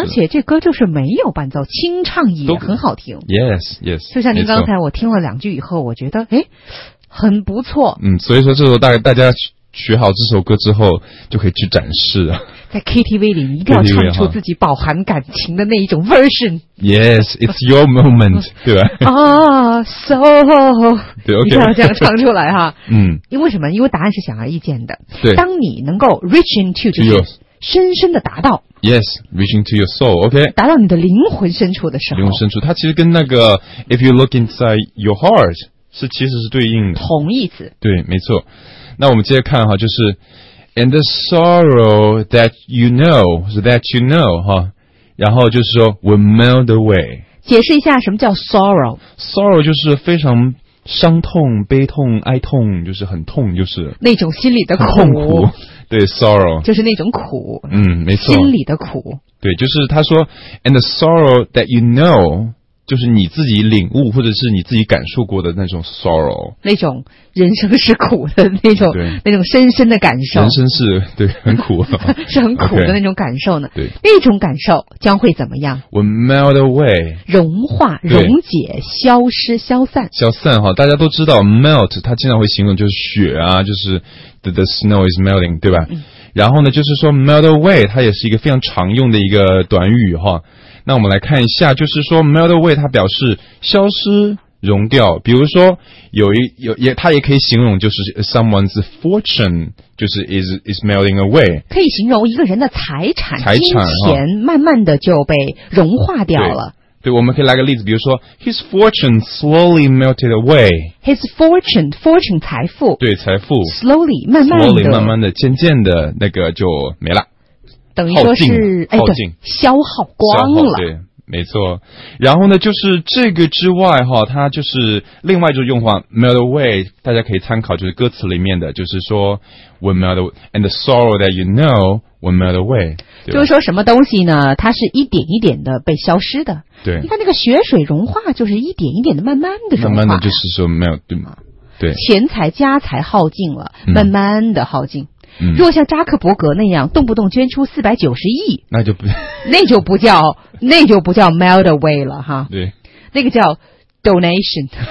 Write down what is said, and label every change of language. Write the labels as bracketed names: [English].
[Chinese] 而且这歌就是没有伴奏，清唱也很好听。 [English] Yes, yes。 [Chinese] 就像您刚才我听了两句以后，我觉得哎，很不错。嗯，所以说这首大家。学好这首歌之后就可以去展示了，在 KTV 里一定要唱出自己饱含感情的那一种 version。 [English] Yes, it's your moment， [Chinese] 对吧？ [English] 啊、so [Chinese] 对 OK，一定要这样唱出来哈。嗯，因为什么？因为答案是显而易见的。对，当你能够 [English] reach into [Chinese] 就是深深的达到。 [English] Yes, reach into your soul. OK， [Chinese] 达到你的灵魂深处的时候。灵魂深处，它其实跟那个 [English] if you look inside your heart [Chinese] 是其实是对应的，同义词。对，没错。那我们接着看哈，就是 [English] and the sorrow that you know is that you know 哈， [Chinese] 然后就是说 [English] will melt away。 [Chinese] 解释一下什么叫 sorrow？ Sorrow 就是非常伤痛、悲痛、哀痛，就是很痛，就是那种心里的苦，痛苦。对 ，sorrow 就是那种苦。嗯，没错。心里的苦。对，就是他说 [English] and the sorrow that you know。 [Chinese] 就是你自己领悟或者是你自己感受过的那种 sorrow，那种人生是苦的那种，那种深深的感受，人生是对很苦是很苦的那种感受呢。对，那种感受将会怎么样？ [English] Will melt away， [Chinese] 融化、溶解、消失、消散。消散哈，大家都知道 melt 它经常会形容就是雪啊，就是 [English] the snow is melting， [Chinese] 对吧、嗯、然后呢就是说 [English] melt away [Chinese] 它也是一个非常常用的一个短语哈。那我们来看一下，就是说 [English] melt away [Chinese] 它表示消失、融掉。比如说它也可以形容就是 [English] someone's fortune [Chinese] 就是 [English] is melting away， [Chinese] 可以形容一个人的财产金钱、啊、慢慢的就被融化掉了。对，我们可以来个例子，比如说 [English] his fortune slowly melted away， [Chinese] his fortune 财富，对，财富 slowly 慢慢的 slowly 慢慢的渐渐的那个就没了，等于说是哎，对，消耗光了，对，没错。然后呢，就是这个之外哈，它就是另外就是用法 [English] melt away， [Chinese] 大家可以参考就是歌词里面的，就是说 [English] will melt away and the sorrow that you know will melt away， [Chinese] 就是说什么东西呢？它是一点一点的被消失的。对，你看那个雪水融化，就是一点一点的慢慢的融化，慢慢的就是说 melt， 对吗？对，钱财家财耗尽了，慢慢的耗尽。嗯嗯、若像扎克伯格那样动不动捐出490亿，那就不叫 [English] melt away [Chinese] 了哈。对，那个叫 donation。